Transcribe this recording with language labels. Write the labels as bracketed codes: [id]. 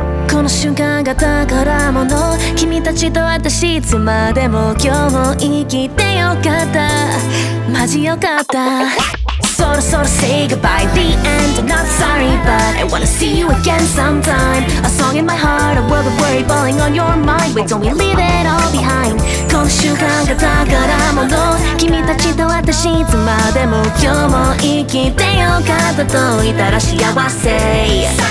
[ja] この瞬間が宝物、君たちと私いつまでも今日も生きてよかった。マジよかった。 [en] Sora sora say goodbye, the end. I'm not sorry, but I wanna see you again sometime. A song in my heart, a world of worry falling on your mind. Wait, don't we leave it all behind? [ja] この瞬間が宝物、君たちと私いつまでも今日も生きてよかったといたら幸せ。